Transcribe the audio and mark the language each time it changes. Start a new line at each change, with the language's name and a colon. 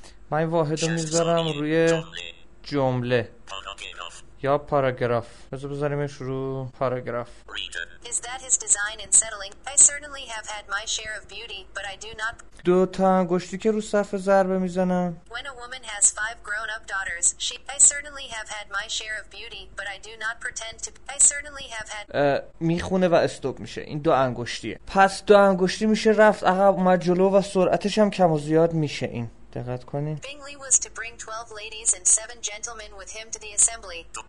Persian: من واحد رو میذارم روی جمله یا پاراگراف. بذار بذاریمش رو پاراگراف.
English: Is that his design in settling? I certainly have had my share of beauty, but I do not.
Persian: دو تا انگشتی که رو صفحه ضربه میزنم.
English: When a woman has five grown-up daughters, she. I certainly have had my share of beauty, but I do not pretend to. I certainly have had.
Persian: میخونه و استوب میشه. این دو انگشتیه. پس دو انگشتی میشه رفت عقب، اومد جلو و سرعتش هم کم و زیاد میشه این. دقت کنین.
English: Bingley was to bring 12 ladies and 7 gentlemen with him to the assembly.